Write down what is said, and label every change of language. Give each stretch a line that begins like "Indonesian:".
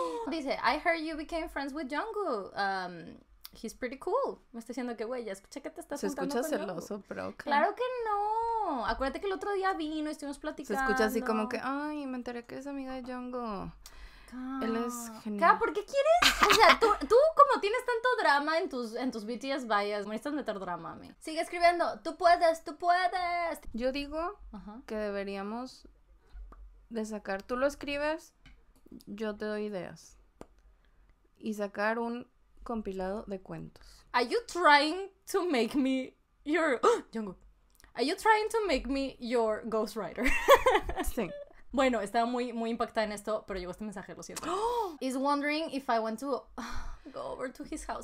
English: Dice, I heard you became friends with Jungkook. He's pretty cool.
Spanish: Me está diciendo que, güey, ya escuché que te estás juntando con Jungkook. Se escucha celoso, pero okay. Claro que no. Acuérdate que el otro día vino y estuvimos platicando. Se escucha así como que, ay, me enteré que es amiga de Jungkook. Él es genial. ¿Por qué quieres? O sea, tú como tienes tanto drama en tus BTS bias, me necesitas meter drama a mí. Sigue escribiendo, tú puedes. Yo digo que deberíamos de sacar, tú lo escribes, yo te doy ideas. Y sacar un compilado de cuentos.
English: Are you trying to make me your... Jungkook. Are you trying to make me your ghostwriter?
Spanish: Sí. Bueno, estaba muy, muy impactada en esto, pero llegó este mensaje, lo siento.
English: Is wondering if I want to go over to his house.